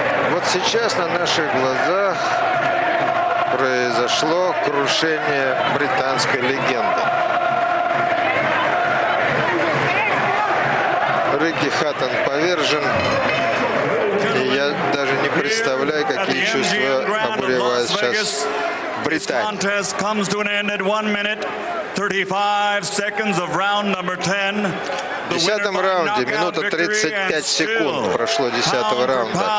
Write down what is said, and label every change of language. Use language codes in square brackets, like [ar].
[ru] Вот сейчас на наших глазах произошло крушение британской легенды. Рикки Хаттон повержен. И я даже не представляю, какие чувства обуревают сейчас. [en] This contest comes to an end at 1 minute 35 seconds of round number 10. [ru] В 10-м раунде, минута 35 секунд прошло 10-го раунда.